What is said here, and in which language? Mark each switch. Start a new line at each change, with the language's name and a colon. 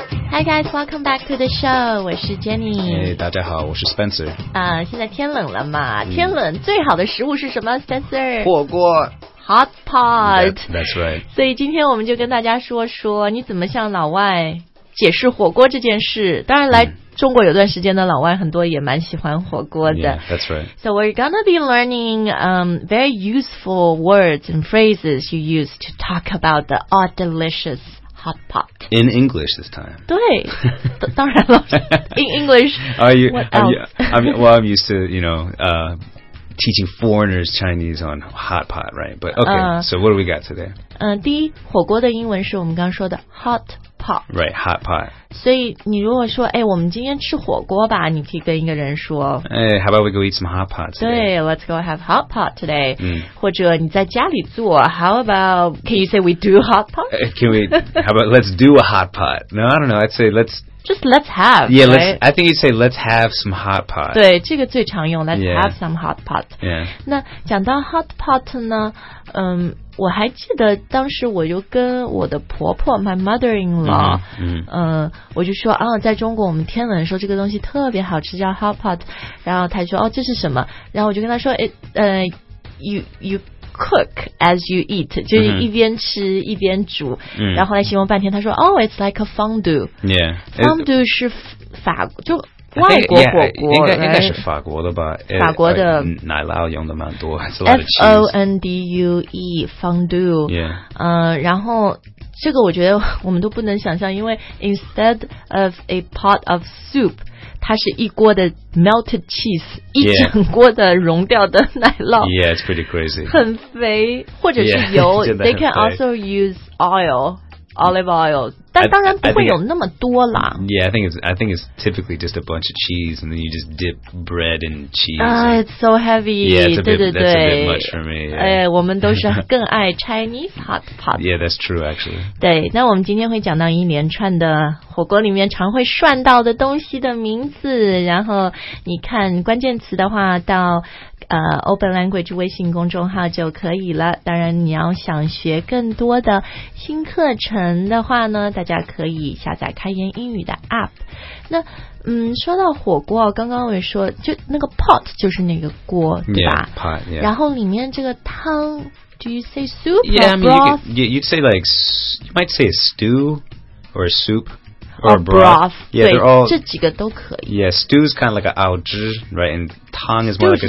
English: Hi guys, welcome back to the show.
Chinese: 我是 Jenny. Hey, 大家好，我是 Spencer. 现在天冷了嘛？天冷最好的食物是什么 ？Spencer，火锅。
English: Hot pot. That's right.
Chinese: 所以今天我们就跟大家说说，你怎么向老外解释火锅这件事？当然，来中国有段时间的老外很多也蛮喜欢火锅的。
English: Yeah, that's right. So we're gonna be learning very useful words and phrases you use to talk about the odd delicious. Hot pot. In English this time.
Chinese: 对，当然了。
English: In English. I'm used to, you know, teaching foreigners Chinese on hot pot, right? But okay, so what do we got today?
Chinese: 第一，火锅的英文是我们刚刚说的 hot pot.
English: Right, hot pot.
Chinese: 所以你如果说，哎，我们今天吃火锅吧，你可以跟一个人说，
English: 哎， how about we go eat some hot pot today? 对， let's go have hot pot today.
Chinese: 或者你在家里做，
English: how about, can you say we do hot pot? Can we, how about let's do a hot pot? No, I don't know, I'd say let's... Just let's have, yeah, right? Yeah, I think you'd say, let's have some hot pot.
Chinese: 对，这个最常用
English: let's have some hot pot. Yeah.
Chinese: 那讲到 hot pot 呢，我还记得当时我就跟我的婆婆
English: my mother-in-law,
Chinese: 我就说啊，在中国我们天冷的时候这个东西特别好吃叫 hot pot, 然后她说哦，这是什么，然后我就跟她说
English: you cook as you eat,
Chinese: 就是一边吃一边煮、然后后来形容半天他说
English: oh, it's like a fondue. Yeah.
Chinese: Fondue 是法国就外国火锅应该是法国的吧。法国的。奶酪用的蛮多。
English: F-O-N-D-U-E, fondue. Yeah.
Chinese: 然后这个我觉得我们都不能想象因为
English: instead of a pot of soup,
Chinese: 它是一锅的
English: melted cheese,
Chinese: 一整锅的融掉的奶酪。
English: Yeah, it's pretty crazy.
Chinese: 很肥或者是油。
English: Yeah, they can also use oil, olive oil.
Chinese: 但当然不会有那么多啦。
English: Yeah, I think it's typically just a bunch of cheese and then you just dip bread in cheese. It's so heavy. Yeah, it's a bit, that's a bit much for me.
Chinese: 我们都是更爱 Chinese hot pot.
English: Yeah, that's true, actually.
Chinese: 对，那我们今天会讲到一连串的火锅里面常会涮到的东西的名字，然后你看关键词的话到Open Language 微信公众号就可以了。当然你要想学更多的新课程的话呢，大家可以下载开言英语的 App。那说到火锅，刚刚我也说就那个 pot 就是那个锅对吧，
English: yeah, pot, yeah.
Chinese: 然后里面这个汤
English: do you say soup yeah, or I mean, broth? You'd say like you might say a stew or a soupOr broth. Yeah, they're all...
Chinese: 这几个都可以。
English: Yeah, stew is kind of like a
Chinese: 熬汁,
English: right? And tongue is more like a soup.